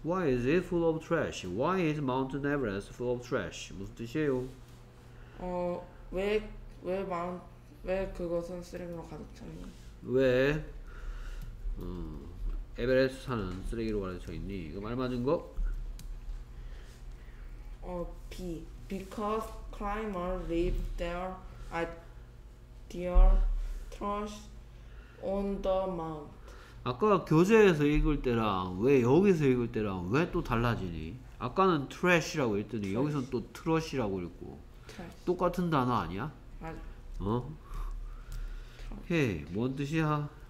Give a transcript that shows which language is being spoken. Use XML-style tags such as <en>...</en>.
<en>Why is it full of trash? Why is Mount Everest full of trash?</en> <ko>무슨 뜻이에요? 왜 그것은 쓰레기로 가득 찼니? 왜? 에베레스트 산은 쓰레기로 가려져 있니? 이거 말 맞은 거?</ko> <en>B. Because climbers leave their trash on the mount.</en> <ko>아까 교재에서 읽을 때랑 왜 여기서 읽을 때랑 왜 또 달라지니? 아까는 trash라고 읽더니 trash. 여기서는 또 trash라고 읽고</ko> <en>trash.</en> <ko>똑같은 단어 아니야? 맞아. 오케이. 뭔 뜻이야?</ko>